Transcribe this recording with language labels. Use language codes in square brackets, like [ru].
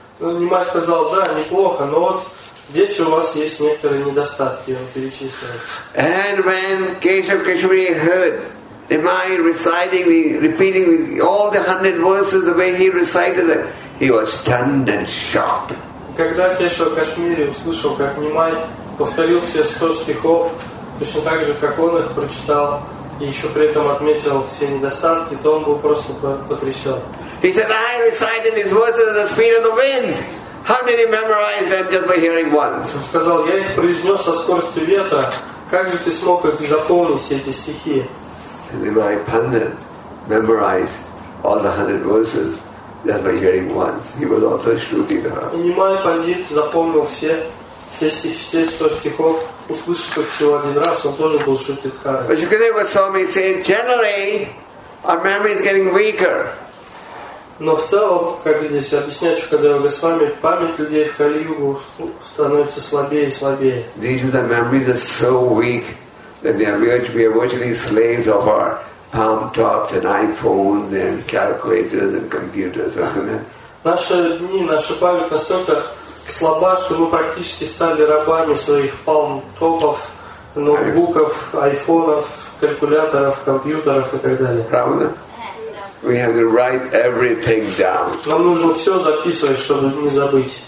[en] And when Keshav Keshavri heard Nimai reciting the, repeating the, all the 100 verses the way he recited it, he was stunned and shocked. [ru] Когда Кешава Кашмири услышал, как Нимай повторил все 100 стихов, точно так же, как он их прочитал, и еще при этом отметил все недостатки, то он был просто потрясен. [en] He said, I recited these words at the speed of the wind. How did he memorize them just by hearing once? [ru] Он сказал, я их произнес со скоростью ветра. Как же ты смог их запомнить, все эти стихи? [en] So Nimai Pandit memorized all the 100 verses. That by hearing once, he was also Shruti Dharma. [ru] Nimai Pandit запомнил все 100 стихов, услышав их всего один раз, он тоже был Shruti Dharma. [en] But Shukadeva Swami said, generally, our memory is getting weaker. [ru] Но в целом, как здесь объясняет Shukadeva Goswami, память людей в Кали-Югу становится слабее и слабее. [en] These are the memories that are so weak that they are virtually slaves of our palm tops and iPhones and calculators and computers. [ru] Наши дни, наша память настолько слаба, что мы практически стали рабами своих palm tops, ноутбуков, айфонов, калькуляторов, компьютеров и так далее. Правда? [en] We have to write everything down. [ru] Нам нужно все записывать, чтобы не забыть.